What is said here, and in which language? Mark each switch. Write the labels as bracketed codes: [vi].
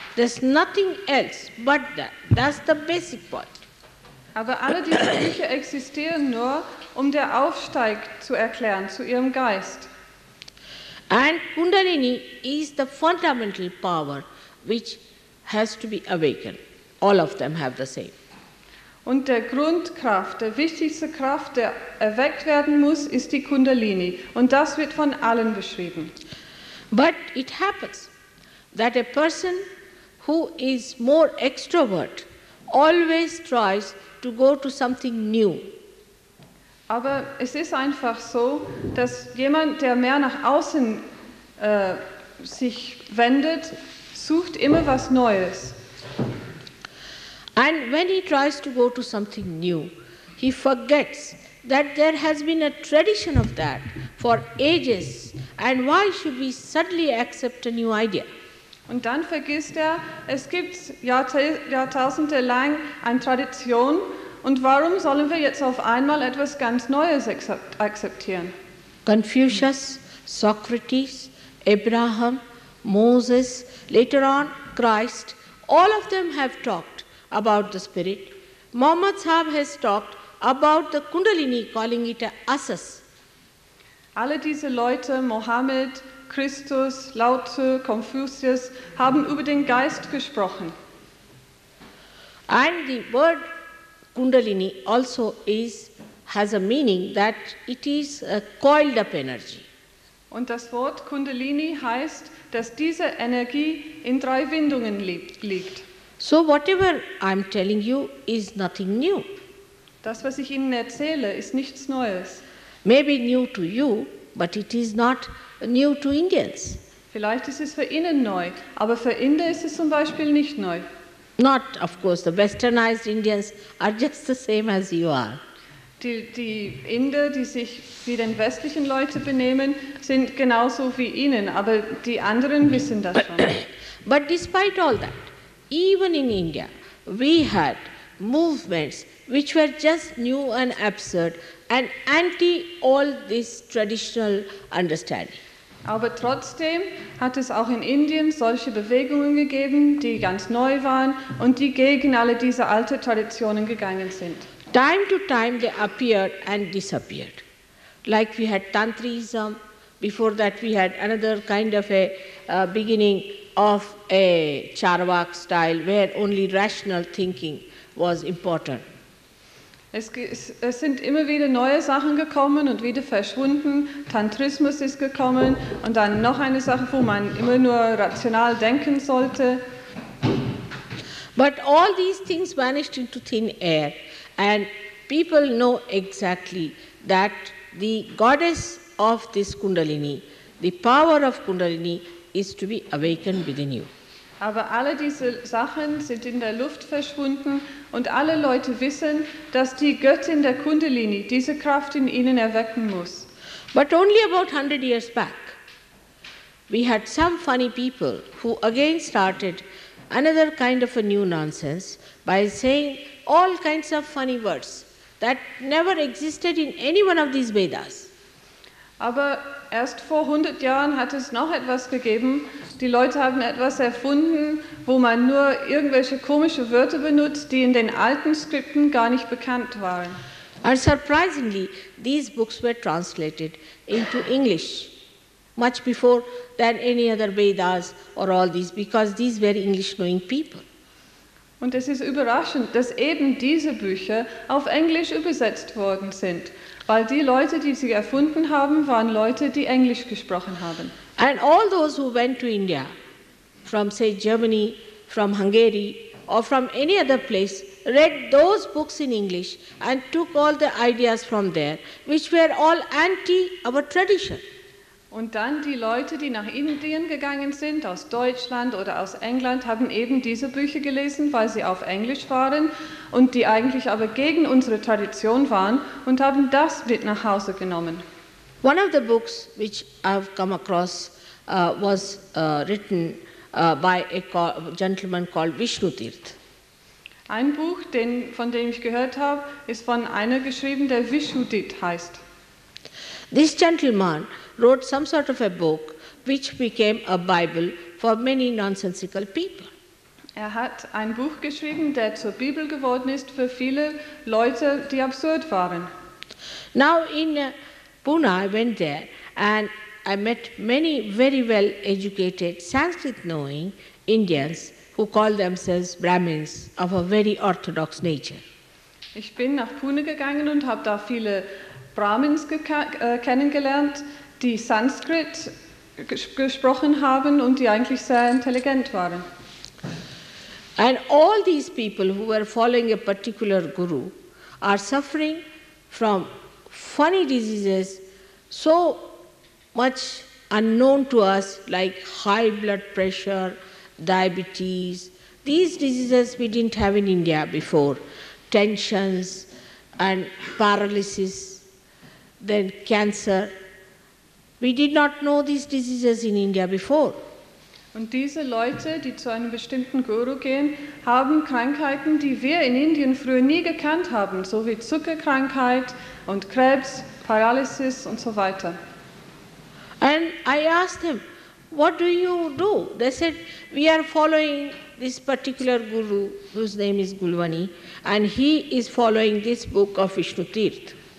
[en] There's nothing else but that. That's the basic point. [de] Aber alle diese Bücher existieren nur, um der Aufstieg zu erklären, zu ihrem Geist. [en] And Kundalini is the fundamental power which has to be awakened. All of them have the same. [de] Und der Grundkraft, der wichtigste Kraft, der erweckt werden muss, ist die Kundalini. Und das wird von allen beschrieben. [en] But it happens that a person who is more extrovert always tries to go to something new. [de] Aber es ist einfach so, dass jemand, der mehr nach außen sich wendet, sucht immer was Neues. [en] And when he tries to go to something new, he forgets that there has been a tradition of that for ages, and why should we suddenly accept a new idea? [de] Und dann vergisst er, es gibt Jahrtausende lang eine Tradition, und warum sollen wir jetzt auf einmal etwas ganz Neues akzeptieren? [en] Confucius, Socrates, Abraham, Moses, later on Christ, all of them have talked about the spirit. Muhammad Sahib has talked about the Kundalini, calling it a asas. [de] Alle diese Leute, Mohammed, Christus, Lao Tzu, Confucius, haben über den Geist gesprochen. [en] And the word Kundalini also has a meaning that it is a coiled up energy. [de] Und das Wort Kundalini heißt, dass diese Energie in drei Windungen liegt. [en] So whatever I'm telling you is nothing new. [de] Das, was ich Ihnen erzähle, ist nichts Neues. [en] Maybe new to you, but it is not new to Indians. [de] Vielleicht ist es für Ihnen neu, aber für Inder ist es zum Beispiel nicht neu. [en] Not, of course, the westernized Indians are just the same as you are. [de] Die Inder, die sich wie den westlichen Leute benehmen, sind genauso wie Ihnen, aber die anderen wissen das schon. [en] But despite all that, even in India, we had movements which were just new and absurd and anti all this traditional understanding. [de] Aber trotzdem hat es auch in Indien solche Bewegungen gegeben, die ganz neu waren und die gegen alle diese alten Traditionen gegangen sind. [en] Time to time they appeared and disappeared. Like we had Tantrism, before that we had another kind of a beginning of a Charvaka style where only rational thinking was important. [de] Es sind immer wieder neue Sachen gekommen und wieder verschwunden. Tantrismus ist gekommen und dann noch eine Sache, wo man immer nur rational denken sollte. [en] But all these things vanished into thin air and people know exactly that the goddess of this Kundalini, the power of Kundalini is to be awakened within you. [de] Aber alle diese Sachen sind in der Luft verschwunden und alle Leute wissen, dass die Göttin der Kundalini diese Kraft in ihnen erwecken muss. [en] But only about 100 years back, we had some funny people who again started another kind of a new nonsense by saying all kinds of funny words that never existed in any one of these Vedas. [de] Aber erst vor 100 Jahren hat es noch etwas gegeben. Die Leute haben etwas erfunden, wo man nur irgendwelche komische Wörter benutzt, die in den alten Skripten gar nicht bekannt waren. [en] And surprisingly, these books were translated into English much before than any other Vedas or all these, because these were English-knowing people. [de] Und es ist überraschend, dass eben diese Bücher auf Englisch übersetzt worden sind. Weil die Leute, die sie erfunden haben, waren Leute, die Englisch gesprochen haben. [en] And all those who went to India, from say Germany, from Hungary, or from any other place, read those books in English and took all the ideas from there, which were all anti our tradition. [de] Und dann die Leute, die nach Indien gegangen sind, aus Deutschland oder aus England, haben eben diese Bücher gelesen, weil sie auf Englisch waren und die eigentlich aber gegen unsere Tradition waren und haben das mit nach Hause genommen. [en] One of the books which I've come across was written by a gentleman called Vishnutirth. [de] Ein Buch, von dem ich gehört habe, ist von einer geschrieben, der Vishnutirth heißt. [en] This gentleman wrote some sort of a book which became a Bible for many nonsensical people. [de] Er hat ein Buch geschrieben, der zur Bibel geworden ist für viele Leute, die absurd waren. [en] Now in Pune, I went there and I met many very well educated, Sanskrit knowing Indians who call themselves Brahmins of a very orthodox nature. [de] Ich bin nach Pune gegangen und habe da viele Brahmins kennengelernt, die Sanskrit gesprochen haben und die eigentlich sehr intelligent waren. [en] And all these people who were following a particular guru are suffering from funny diseases so much unknown to us, like high blood pressure, diabetes. These diseases we didn't have in India before. Tensions and paralysis, then cancer. We did not know these diseases in India before. [de] Und diese Leute, die zu einem bestimmten Guru gehen, haben Krankheiten, die wir in Indien früher nie gekannt haben, so wie Zuckerkrankheit und Krebs, Paralysis und so weiter. [en] And I asked them, what do you do? They said, we are following this particular guru whose name is Gulwani and he is following this book of Vishnutirth.